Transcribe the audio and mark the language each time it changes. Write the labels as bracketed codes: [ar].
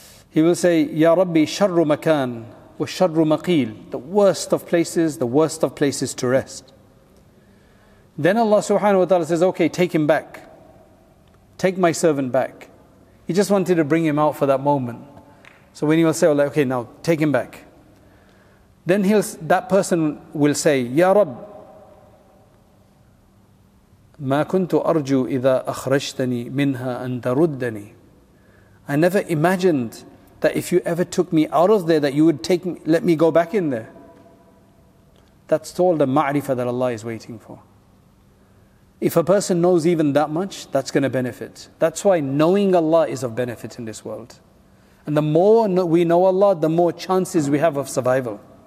[en] He will say, [ar] Ya Rabbi, sharru makan wa sharru maqil, [en] the worst of places, the worst of places to rest. Then Allah subhanahu wa ta'ala says, okay, take him back. Take my servant back. He just wanted to bring him out for that moment. So when he will say, okay, now take him back. Then that person will say, [ar] Ya Rabbi, ما كنت أرجو إذا أخرجتني منها أن تردني. [en] I never imagined that if you ever took me out of there, that you would take me, let me go back in there. That's all the ma'rifah that Allah is waiting for. If a person knows even that much, that's going to benefit. That's why knowing Allah is of benefit in this world. And the more we know Allah, the more chances we have of survival.